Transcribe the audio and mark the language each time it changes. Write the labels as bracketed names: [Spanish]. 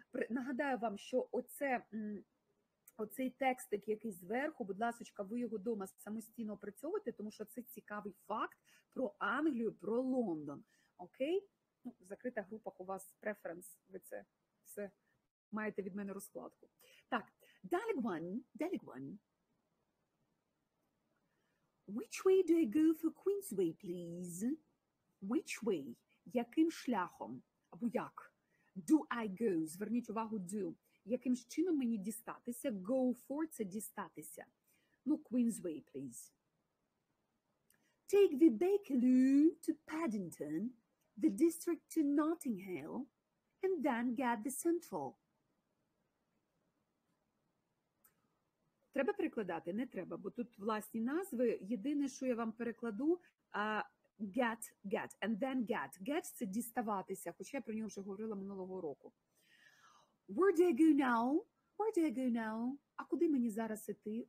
[Ukrainian] Нагадаю вам, що оцей текстик, який зверху, будь ласочка, ви його вдома самостійно опрацьовуєте, тому що це цікавий факт про Англію, про Лондон. Окей? Ну, в закритих групах у вас преференс, ви це все маєте від мене розкладку. Так, [English] Dalig one. Which way do I go for Queensway, please? Which way? [Ukrainian] Яким шляхом? Або як? [English] Do I go? [Ukrainian] Зверніть увагу, do. Яким чином мені дістатися? Go for – це дістатися. Ну, Queensway, please. [English] Take the Bakerloo to Paddington, the district to Notting Hill, and then get the Central. [Ukrainian] Треба перекладати? Не треба, бо тут власні назви. Єдине, що я вам перекладу – Get, and then get. Get – це діставатися, хоча я про нього вже говорила минулого року. Where do I go now? А куди мені зараз іти?